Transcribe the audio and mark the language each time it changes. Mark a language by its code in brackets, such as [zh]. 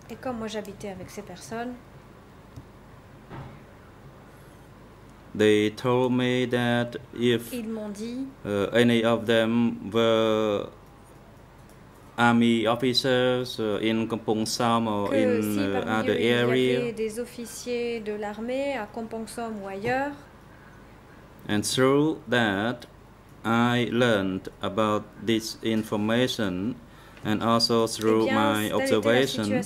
[fr] et comme moi j'habitais avec ces personnes, [en] They told me that if any of them were army officers in Kampong Sam or in other area, [fr] des officiers de l'armée à Kampong Sam ou ailleurs. [en] And through that, I learned about this information, and also through my observation.